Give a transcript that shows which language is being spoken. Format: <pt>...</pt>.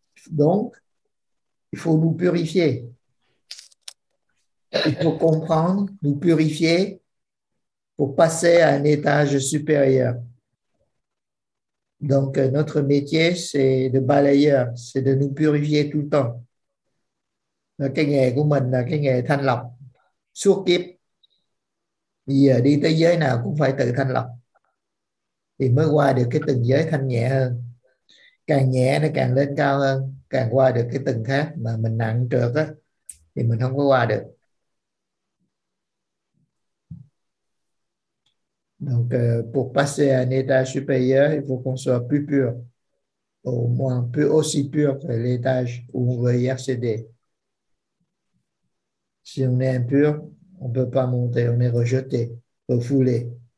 <fr>Donc, il faut nous purifier. Il faut comprendre, nous purifier pour passer à un étage supérieur. Donc, notre métier, c'est de balayeur, c'est de nous purifier tout le temps.</fr> <vi>Cái nghề của mình là cái nghề thanh lọc suốt kiếp. Bây giờ đi tới giới nào cũng phải tự thanh lọc thì mới qua được cái từng giới thanh nhẹ hơn. Càng nhẹ nó càng lên cao hơn, càng qua được cái từng khác. Mà mình nặng trượt á thì mình không có qua được.</vi> <fr>Donc, pour passer à un état supérieur, il faut qu'on soit plus pur, au moins plus aussi pur que l'étage où on veut y accéder. Si on est impur, on ne peut pas monter, on est rejeté, refoulé.</fr>